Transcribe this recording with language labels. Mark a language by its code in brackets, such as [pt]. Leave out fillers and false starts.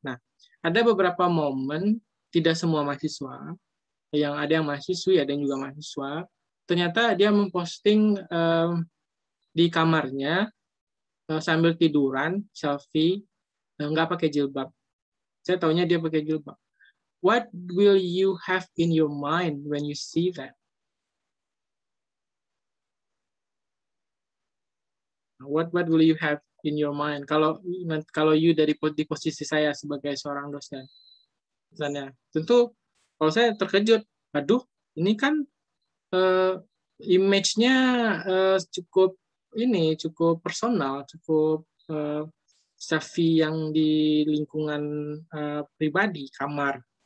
[id] Nah, ada beberapa momen, tidak semua mahasiswa, yang ada yang mahasiswi, ada yang juga mahasiswa, ternyata dia memposting di kamarnya sambil tiduran, selfie, nggak pakai jilbab. Saya taunya dia pakai jilbab. [en] What will you have in your mind when you see that? What will you have in your mind [id] kalau you dari di posisi saya sebagai seorang dosen? Misalnya, tentu kalau saya terkejut, aduh, ini kan image-nya cukup ini cukup personal, cukup selfie yang di lingkungan pribadi kamar.